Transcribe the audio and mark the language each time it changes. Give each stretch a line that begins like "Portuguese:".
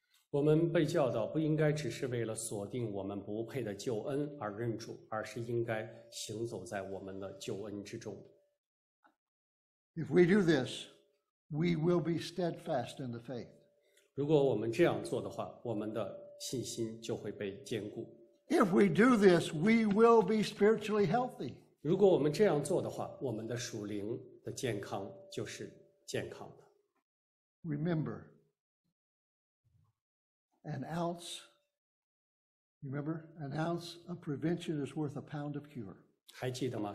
Chinese: 我们被教导不应该只是为了锁定我们不配的救恩而认主，而是应该行走在我们的救恩之中。
English: If we do this, we will be steadfast in the faith.
Chinese: 如果我们这样做的话，我们的信心就会被坚固。
English: If we do this, we will be spiritually healthy.
Chinese: 如果我们这样做的话，我们的属灵的健康就是健康的。
English: Remember. An ounce of prevention is worth a pound of cure.
Chinese: 还记得吗？